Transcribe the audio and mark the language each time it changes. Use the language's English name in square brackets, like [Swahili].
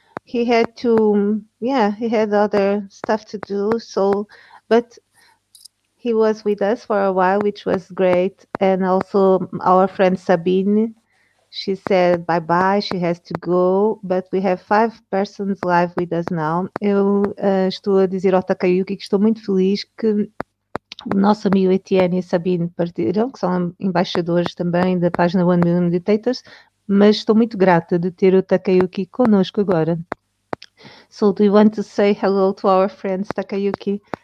[English] he had other stuff to do, but he was with us for a while, which was great. And also our friend Sabine, she said bye-bye, she has to go, but we have 5 persons live with us now. [Portuguese] Eu estou a dizer ao Takayuki que estou muito feliz que o nosso amigo Etienne e Sabine partiram, que são embaixadores também da página One Million Meditators, mas estou muito grata de ter o Takayuki connosco agora. [English] So, do you want to say hello to our friends, Takayuki?